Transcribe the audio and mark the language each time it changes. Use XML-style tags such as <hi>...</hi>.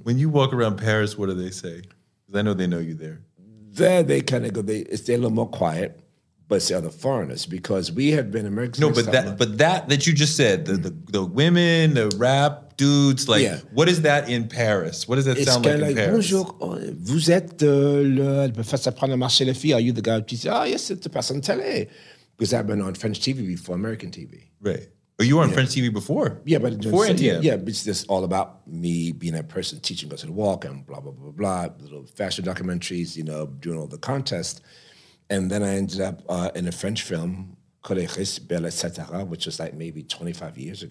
<en>When you walk around Paris, what do they say? Because I know they know you there. There, they kind of go, they're a little more quiet, but it's the other foreigners, because we have been Americans. No, but that you just said, the women, the rap, dudes, like, what is that in Paris? What does that sound like in Paris?</en> <fr>Bonjour, vous êtes le professeur d'apprendre à marcher les filles.</fr> <en>Are you the guy who says, oh, yes,</en> <fr>c'est la personne télé.</fr> <en>Because I've been on French TV before American TV. Right. Oh, you were on French TV before? Yeah, but before NTM. Yeah, it's just all about me being that person, teaching us to walk and blah, blah, blah, blah, little fashion documentaries, you know, doing all the contests. And then I ended up in a French film, Collégis Belle, etc., which was like maybe 25 years ago.</en>